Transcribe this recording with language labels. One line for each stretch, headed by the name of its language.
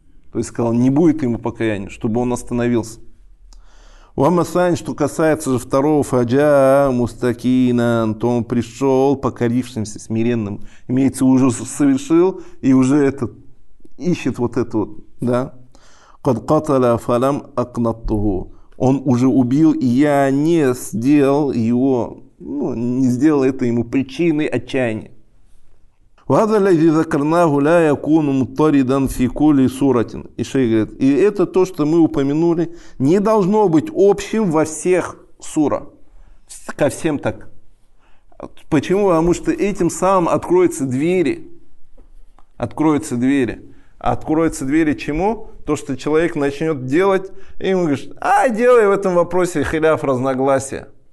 Russian: То есть сказал, не будет ему покаяния, чтобы он остановился. «Вам асань», что касается же второго, «фаджа мустакинан», то он пришел покорившимся, смиренным. Имеется, уже совершил и уже этот, ищет вот это вот, да.
Arabic: قد قتل فلم أقنطه.
Russian: Он уже убил, и я не сделал его, ну, не сделал это ему причиной отчаяния.
Arabic: وهذا الذي ذكرناه لا يكون مضطردا في كل سورة.
Russian: И шейх говорит, и это то, что мы упомянули, не должно быть общим во всех сурах. Ко всем так. Почему? Потому что этим самым откроются двери. Откроются двери. Откроются двери чему? То, что человек начнет делать, и ему говорит, а делай в этом вопросе хиляф, разногласия.